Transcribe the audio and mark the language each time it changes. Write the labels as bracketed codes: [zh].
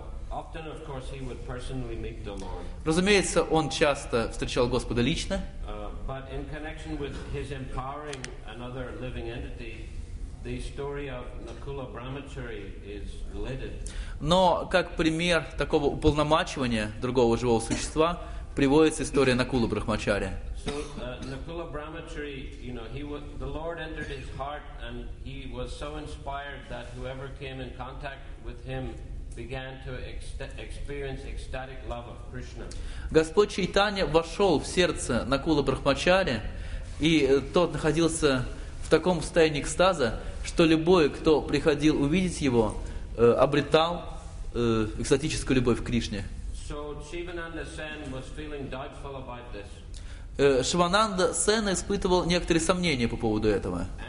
[en] Often, of course, he would personally meet the Lord. [ru] Разумеется, он часто встречал Господа лично. [en] But in connection with his empowering another living entity, the story of Nakula Brahmachari is related. [ru] Но как пример такого уполномачивания другого живого существа приводится история Накулы Брахмачари. [en] So Nakula Brahmachari, you know, the Lord entered his heart, and he was so inspired that whoever came in contact with him began to experience ecstatic love of Krishna. [ru] Господь Чайтанья вошел в сердце Накулы Брахмачари, и тот находился в таком состоянии экстаза, что любой, кто приходил увидеть его, обретал экстатическую любовь к Кришне. [en] So Shivananda Sen was feeling doubtful about this. [ru] Шивананда Сена испытывал некоторые сомнения по поводу этого.